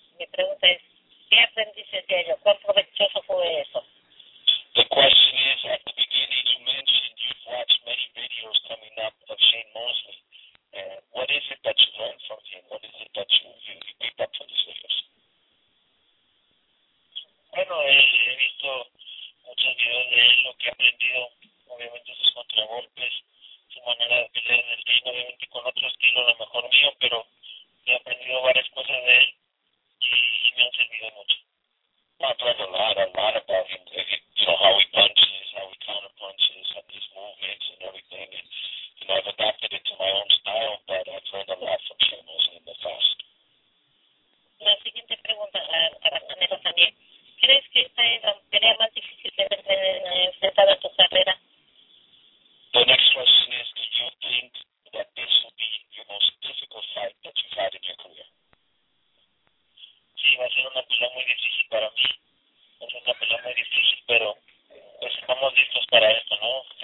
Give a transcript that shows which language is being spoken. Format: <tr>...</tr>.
<es>Mi pregunta es, ¿qué aprendiste de ello? ¿Cuán provechoso fue eso?</es> <en>The question is, at the beginning you mentioned you've watched many videos coming up of Shane Mosley. What is it that you learned from him? What is it that you picked up from these videos?</en> <es>Bueno, he visto muchos videos de él, lo que he aprendido, obviamente sus contragolpes, su manera de pelear en el ring, obviamente con otro estilo, a lo mejor mío, pero he aprendido varias cosas de él y me han servido mucho.</es> <en>I've learned a lot about him. You know, how he punches, how he counter punches, and his movements and everything. And, you know, I've adapted it to my own style, but I've learned a lot from Shane Mosley in the past.</en> <es>La siguiente pregunta para Canelo también. ¿Crees que esta es la pelea más difícil de enfrentar a tu carrera?</es> <en>The next question is, do you think that this will be your most difficult fight that you've had in your career?</en> <es>Sí, va a ser una pelea muy difícil para mí. Es una pelea muy difícil, pero pues estamos listos para esto, ¿no?</es>